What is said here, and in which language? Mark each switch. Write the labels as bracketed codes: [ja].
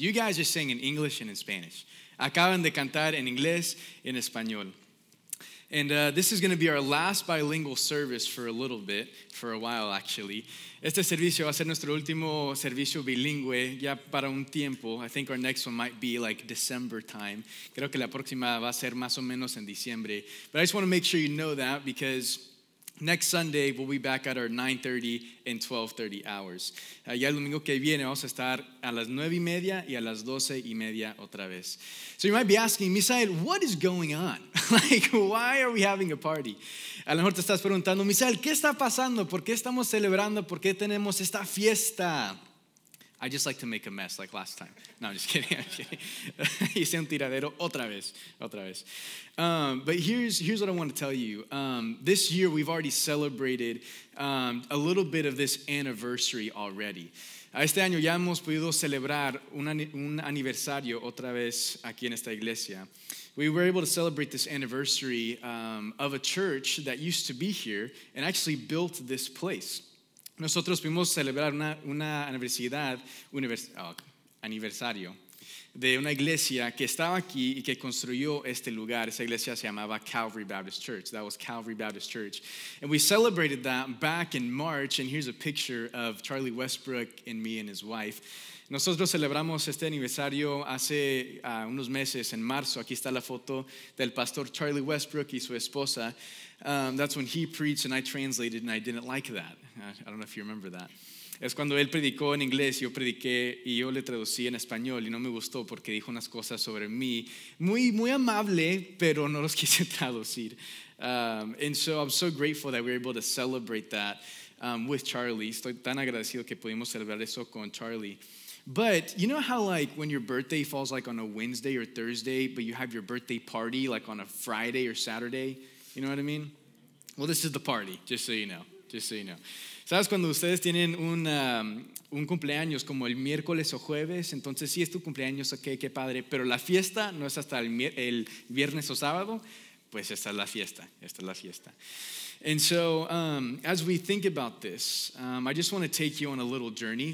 [en] You guys are singing in English and in Spanish. [es] Acaban de cantar en inglés y en español. [en] And this is going to be our last bilingual service for a little bit, for a while actually. [es] Este servicio va a ser nuestro último servicio bilingüe ya para un tiempo. [en] I think our next one might be like December time. [es] Creo que la próxima va a ser más o menos en diciembre. [en] But I just want to make sure you know that because next Sunday we'll be back at our 9:30 and 12:30 hours. [es] Ya el domingo que viene vamos a estar a las 9:30 y a las 12:30 otra vez. [en] So you might be asking, Misael, what is going on? Like, why are we having a party? [es] A lo mejor te estás preguntando, Misael, ¿qué está pasando? ¿Por qué estamos celebrando? ¿Por qué tenemos esta fiesta? [en] I just like to make a mess like last time. No, I'm just kidding. [es] Hice un tiradero otra vez. [en] But here's what I want to tell you. This year we've already celebrated a little bit of this anniversary already. [es] Este año ya hemos podido celebrar un aniversario otra vez aquí en esta iglesia. [en] We were able to celebrate this anniversary of a church that used to be here and actually built this place. [es] Nosotros pudimos celebrar un aniversario de una iglesia que estaba aquí y que construyó este lugar. Esa iglesia se llamaba Calvary Baptist Church. [en] That was Calvary Baptist Church. And we celebrated that back in March. And here's a picture of Charlie Westbrook and me and his wife. [es] Nosotros celebramos este aniversario hace unos meses, en marzo. Aquí está la foto del pastor Charlie Westbrook y su esposa. [en] That's when he preached and I translated and I didn't like that. I don't know if you remember that. [es] Es cuando él predicó en inglés, yo prediqué y yo le traducí en español y no me gustó porque dijo unas cosas sobre mí. Muy, muy amable, pero no los quise traducir. [en] And so I'm so grateful that we were able to celebrate that with Charlie. [es] Estoy tan agradecido que pudimos celebrar eso con Charlie. [en] But you know how like when your birthday falls like on a Wednesday or Thursday, but you have your birthday party like on a Friday or Saturday? You know what I mean? Well, this is the party, just so you know. Just so you know. [es] ¿Sabes cuando ustedes tienen un cumpleaños como el miércoles o jueves? Entonces sí es tu cumpleaños, ok, qué padre. Pero la fiesta no es hasta el viernes o sábado. Pues esta es la fiesta, esta es la fiesta. [en] And so as we think about this, I just want to take you on a little journey.